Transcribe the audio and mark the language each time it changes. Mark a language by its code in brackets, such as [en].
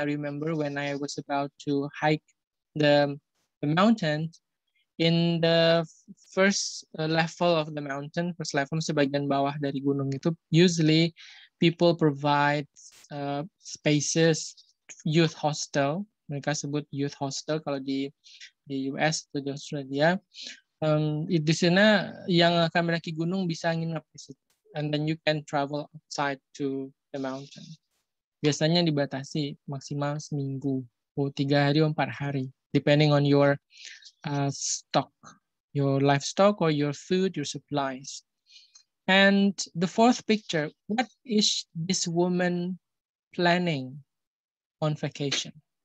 [en] I remember when I was about to hike the mountain, in the first level of the mountain, first level, [id] sebagian bawah dari gunung itu, [en] usually people provide spaces, youth hostel. [id] Mereka sebut youth hostel kalau di US atau di Australia. Di sana yang akan mendaki gunung bisa nginap di situ. [en] And then you can travel outside to the mountain. [id] Biasanya dibatasi maksimal seminggu, oh, 3 hari atau 4 hari, [en] depending on your stock, your livestock or your food, your supplies. And the fourth picture, what is this woman planning on vacation?